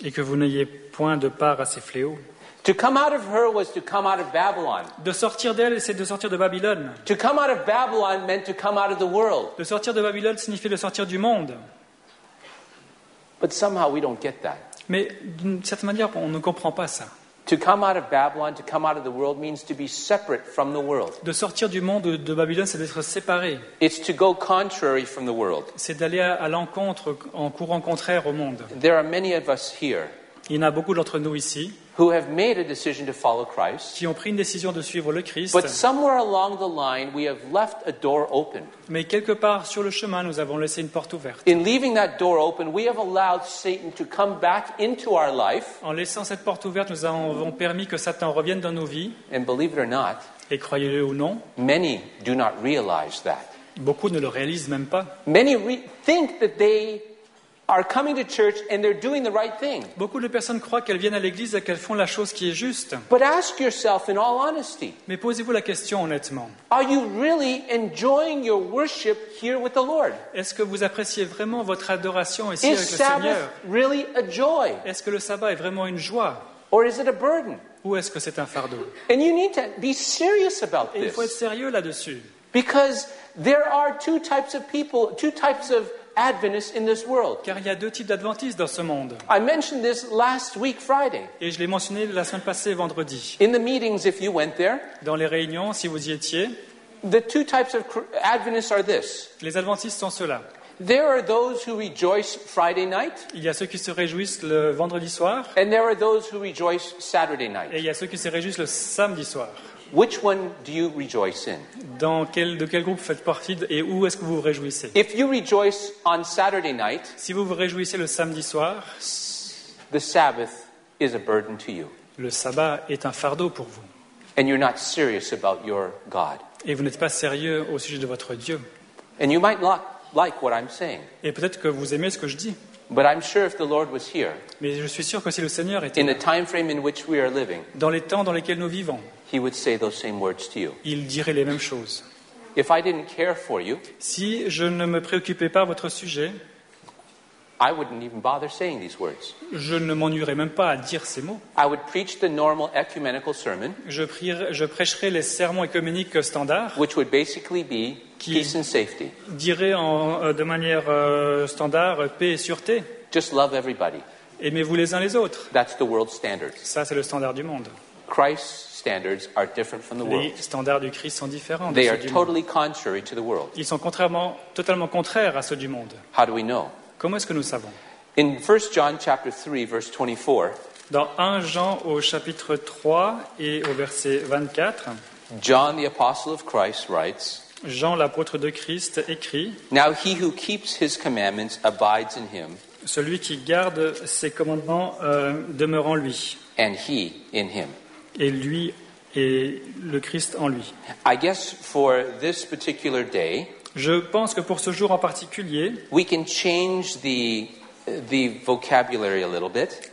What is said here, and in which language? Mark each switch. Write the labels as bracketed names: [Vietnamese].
[French] et que vous n'ayez point de part à ses fléaux. [English] To come out of her was to come out of Babylon. [French] De sortir d'elle, c'est de sortir de Babylone. [English] To come out of Babylon meant to come out of the world. [French] De sortir de Babylone signifiait de sortir du monde. [English] But somehow we don't get that. [French] Mais d'une certaine manière, on ne comprend pas ça. [English] To come out of Babylon, to come out of the world, means to be separate from the world. [French] De sortir du monde de Babylone, c'est d'être séparé. [English] It's to go contrary from the world. [French] C'est d'aller à l'encontre, en courant contraire au monde. [English] There are many of us here. [French] Il y en a beaucoup d'entre nous ici. [English] Who have made a decision to follow Christ. [French] Qui ont pris une décision de suivre le Christ. [English] But somewhere along the line, we have left a door open. [French] Mais quelque part sur le chemin, nous avons laissé une porte ouverte. [English] In leaving that door open, we have allowed Satan to come back into our life. [French] En laissant cette porte ouverte, nous avons permis que Satan revienne dans nos vies. [English] And believe it or not, [French] et croyez-le ou non, [English] many do not realize that. [French] Beaucoup ne le réalisent même pas. [English] Many think that they are coming to church and they're doing the right thing. [French] Beaucoup de personnes croient qu'elles viennent à l'église et qu'elles font la chose qui est juste. [English] But ask yourself in all honesty. [French] Mais posez-vous la question honnêtement. [English] Are you really enjoying your worship here with the Lord? [French] Est-ce que vous appréciez vraiment votre adoration ici [English] is [French] avec le Seigneur? [English] Is Sabbath really a joy? [French] Est-ce que le sabbat est vraiment une joie? [English] Or is it a burden? [French] Ou est-ce que c'est un fardeau? [English] And you need to be serious about this. [French] Il faut être sérieux là-dessus. [English] Because there are two types of people, two types of Adventists in this world. [French] Car il y a deux types d'adventistes dans ce monde. [English] I mentioned this last week, Friday. [French] Et je l'ai mentionné la semaine passée, vendredi. [English] In the meetings, if you went there. [French] Dans les réunions, si vous y étiez. [English] The two types of Adventists are this. [French] Les adventistes sont ceux-là. [English] There are those who rejoice Friday night. [French] Il y a ceux qui se réjouissent le vendredi soir. [English] And there are those who rejoice Saturday night. [French] Et il y a ceux qui se réjouissent le samedi soir. [English] Which one do you rejoice in? [French] De quel groupe faites partie et où est-ce que vous vous réjouissez? [English] If you rejoice on Saturday night, [French] si vous vous réjouissez le samedi soir, [English] the Sabbath is a burden to you. [French] Le sabbat est un fardeau pour vous. [English] And you're not serious about your God. [French] Et vous n'êtes pas sérieux au sujet de votre Dieu. [English] And you might not like what I'm saying. [French] Et peut-être que vous aimez ce que je dis. [English] But I'm sure if the Lord was here, [French] mais je suis sûr que si le Seigneur était [English] in the time frame in which we are living, [French] dans les temps dans lesquels nous vivons, [English] he would say those same words to you. [French] Il dirait les mêmes choses. [English] If I didn't care for you, [French] si je ne me préoccupais pas de votre sujet, [English] I wouldn't even bother saying these words. [French] Je ne m'ennuierais même pas à dire ces mots. [English] I would preach the normal ecumenical sermon, [French] je prêcherais les sermons écuméniques standards, [English] which would basically be peace and safety. [French] Qui dirait de manière standard paix et sûreté. [English] Just love everybody. [French] Aimez-vous les uns les autres. [English] That's the world standard. [French] Ça, c'est le standard du monde. [English] Christ's standards are different from the world. [French] Les standards du Christ sont différents. [English] They are totally contrary to the world. [French] Ils sont totalement contraires à ceux du monde. [English] How do we know? [French] Comment est-ce que nous savons? [English] In 1 John chapter 3 verse 24. [French] Dans 1 Jean au chapitre 3 et au verset 24. [English] John the apostle of Christ writes. [French] Jean l'apôtre de Christ écrit. [English] Now he who keeps his commandments abides in him. [French] Celui qui garde ses commandements demeure en lui. [English] And he in him. [French] Et lui et le Christ en lui. [English] I guess for this particular day, [French] je pense que pour ce jour en particulier, [English] we can change the vocabulary a little bit.